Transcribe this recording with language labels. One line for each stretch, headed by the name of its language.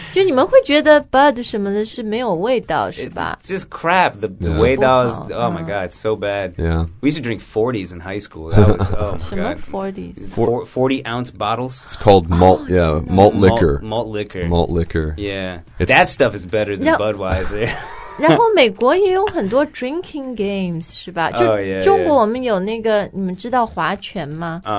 Chinese: 就你们会觉得 Bud 什么的是没有味道是吧
English: It's just crap. The, the
Chinese: 味道
English: is, oh my god, it's so bad. Yeah. We used to drink 40s in high school. Oh, 40 ounce bottles. It's called malt, malt liquor. Malt liquor. Yeah.、It's, That stuff is better than Budweiser.
Chinese: 然后美国也有很多
English: drinking games,
Chinese: 是吧就、
English: oh, yeah,
Chinese: 中国我们有那个你们知道划拳吗